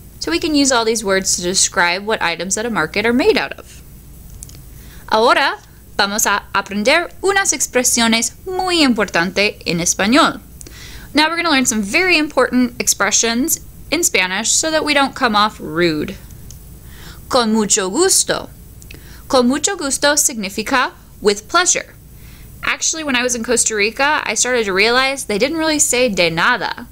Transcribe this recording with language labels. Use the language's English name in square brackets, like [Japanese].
[English] So we can use all these words to describe what items at a market are made out of. [Spanish] Ahora, vamos a aprender unas expresiones muy importantes en español. [English] Now we're going to learn some very important expressions in Spanish so that we don't come off rude. [Spanish] Con mucho gusto. Con mucho gusto significa [English] with pleasure. Actually, when I was in Costa Rica, I started to realize they didn't really say [Spanish] de nada.